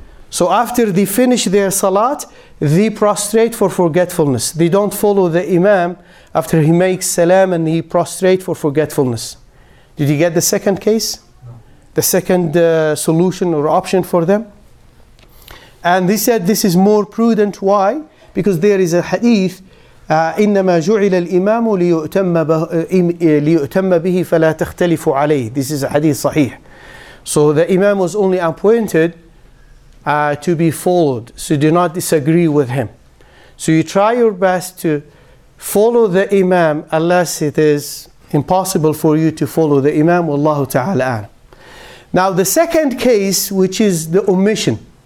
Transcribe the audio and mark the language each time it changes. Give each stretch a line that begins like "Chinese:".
English: So after they finish their salat, they prostrate for forgetfulness. They don't follow the imam after he makes salam and he prostrate for forgetfulness. Did you get the second case? The second solution or option for them. And they said this is more prudent. Why? Because there is a hadith,
Arabic: إِنَّمَا جُعِلَ الْإِمَامُ لِيُؤْتَمَّ بِهِ فَلَا تَخْتَلِفُ عَلَيْهِ.
English: This is a hadith sahih. So the imam was only appointed to be followed. So do not disagree with him. So you try your best to follow the imam, unless it is impossible for you to follow the imam. Wallahu ta'ala a'lam. Now the second case, which is the omission.